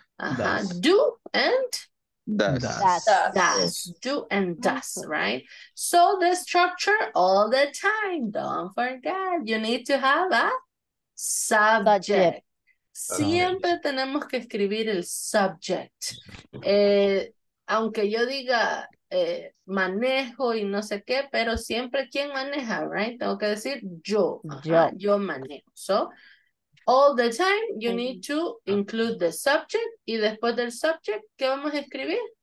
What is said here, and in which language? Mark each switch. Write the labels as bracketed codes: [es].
[en] Uh-huh. Do and? Does. Do and does, right? So the structure all the time. Don't forget, you need to have a subject. [es] Siempre tenemos que escribir el subject. Aunque yo diga manejo y no sé qué, pero siempre quién maneja, right? Tengo que decir yo. Uh-huh. Yo manejo. [en] So, all the time, you need to include the subject. [es] Y después del subject, ¿qué vamos a escribir?